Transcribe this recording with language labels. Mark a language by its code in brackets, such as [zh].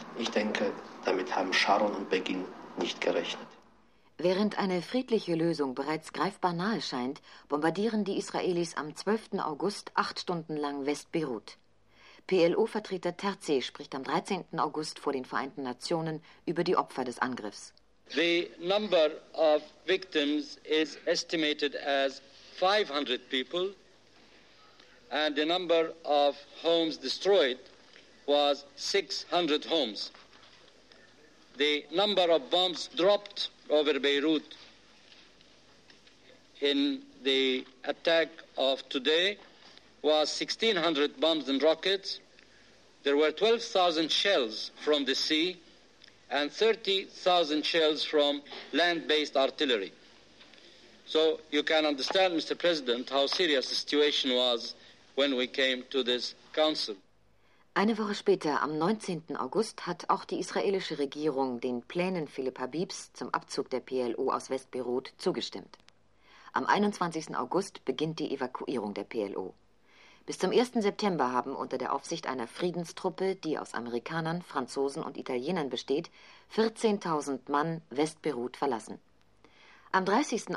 [de] Ich denke, damit haben Sharon und Begin nicht gerechnet. Während eine friedliche Lösung bereits greifbar nahe scheint, bombardieren die Israelis am 12. August 8 Stunden lang West-Beirut. PLO-Vertreter Terzi spricht am 13. August vor den Vereinten Nationen über die Opfer des Angriffs. [en] The number of victims is estimated as 500 people and the number of homes destroyed was 600 homes. The number of bombs dropped over Beirut in the attack of today was 1,600 bombs and rockets. There were 12,000 shells from the sea and 30,000 shells from land-based artillery. So you can understand, Mr. President, how serious the situation was when we came to this council. [de] Eine Woche später, am 19. August, hat auch die israelische Regierung den Plänen Philipp Habibs zum Abzug der PLO aus West-Beirut zugestimmt. Am 21. August beginnt die Evakuierung der PLO. Bis zum 1. September haben unter der Aufsicht einer Friedenstruppe, die aus Amerikanern, Franzosen und Italienern besteht, 14.000 Mann West-Beirut verlassen. Am 30.